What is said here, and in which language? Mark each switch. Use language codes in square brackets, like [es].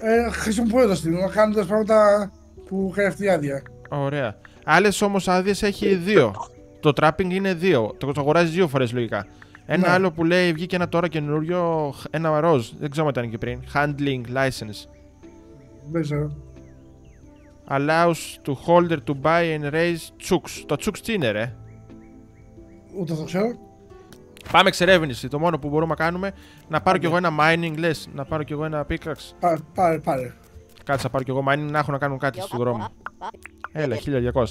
[el] Χρησιμοποιώντα την, να κάνουμε τα πράγματα που χρειάζεται αυτή η άδεια. Ωραία. Άλλες όμως άδειες έχει δύο. Το trapping είναι δύο. Το αγοράζει δύο φορές λογικά. Ένα άλλο που λέει βγήκε ένα τώρα καινούριο, ένα ροζ. Δεν ξέρω αν ήταν και πριν. [en] Handling license. [el] Δεν ξέρω. [en] Allows to holder to buy and raise chooks. [el] Τα chooks τι είναι, ρε. Ούτε το ξέρω. Πάμε εξερεύνηση. Το μόνο που μπορούμε να κάνουμε να πάρω κι εγώ ένα mining, λες. Να πάρω κι εγώ ένα pickaxe. Πάρε. Κάτσε να πάρω κι εγώ mining να έχω να κάνω κάτι στον δρόμο. Έλα, 1200.